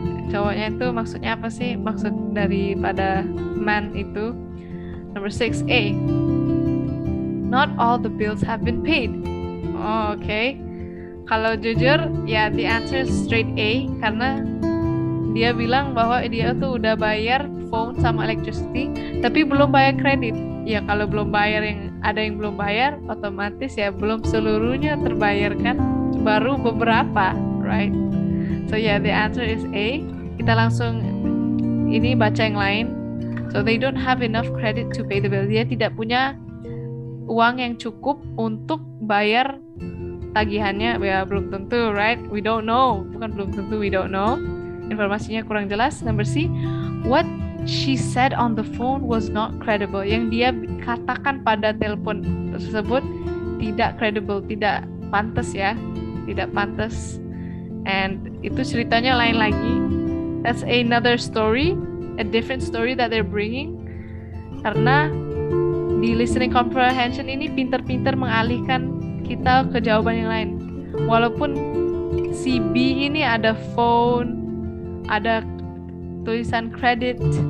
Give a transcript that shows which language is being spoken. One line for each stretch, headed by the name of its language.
Indonesian: Cowoknya itu maksudnya apa sih, maksud daripada man itu?
English: Number 6, A, not all the bills have been paid.
Indonesian: Oh, okay. Kalau jujur, ya,
English: the answer is straight A,
Indonesian: karena dia bilang bahwa dia tuh udah bayar phone sama electricity, tapi belum bayar kredit. Ya, kalau belum bayar, yang ada yang belum bayar, otomatis ya, belum seluruhnya terbayarkan, baru beberapa, right?
English: So, yeah, the answer is A.
Indonesian: Kita langsung, ini baca yang lain.
English: So, they don't have enough credit to pay the bill.
Indonesian: Dia tidak punya uang yang cukup untuk bayar tagihannya, ya belum tentu, right?
English: We don't know.
Indonesian: Bukan belum tentu,
English: we don't know.
Indonesian: Informasinya kurang jelas.
English: Number C, what she said on the phone was not credible.
Indonesian: Yang dia katakan pada telepon tersebut tidak credible, tidak pantas ya. Tidak pantas. And itu ceritanya lain lagi.
English: That's another story, a different story that they're bringing.
Indonesian: Karena di listening comprehension ini pintar-pintar mengalihkan kita ke jawaban yang lain. Walaupun si B ini ada phone, ada tulisan credit.